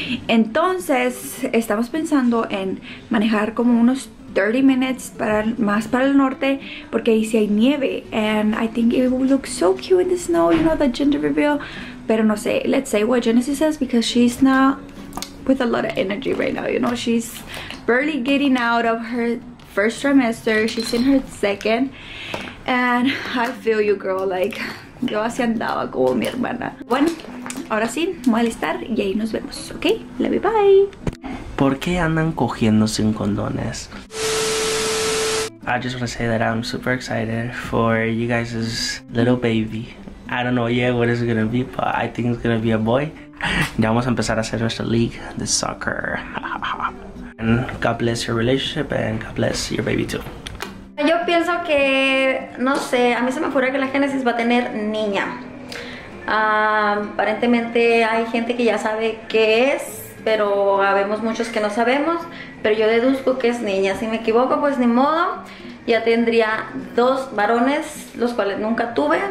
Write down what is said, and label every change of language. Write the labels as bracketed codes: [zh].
[es] Entonces estamos pensando en manejar como unos 30 minutes para más para el norte porque ahí sí hay nieve. [en] And I think it will look so cute in the snow, you know, the gender reveal. [es] Pero no sé, [en] let's say what Genesis says because she's not with a lot of energy right now, you know. She's barely getting out of her first trimester. She's in her second. And I feel you, girl. [es] Like, yo así andaba como mi hermana. Bueno, ahora sí, voy a alistar y ahí nos vemos, ¿ok? [en] Love you, bye. [es] ¿Por qué andan cogiendo sin condones? [en] I just want to say that I'm super excited for you guys' little baby. I don't know yet what it's going to be, but I think it's going to be a boy. [es] Ya vamos a empezar a hacer nuestra league de soccer. [en] And God bless your relationship and God bless your baby too. [es] Yo pienso que, no sé, a mí se me ocurre que la Génesis va a tener niña. Aparentemente hay gente que ya sabe qué es, pero habemos muchos que no sabemos. Pero yo deduzco que es niña. Si me equivoco, pues ni modo. Ya tendría dos varones, los cuales nunca tuve.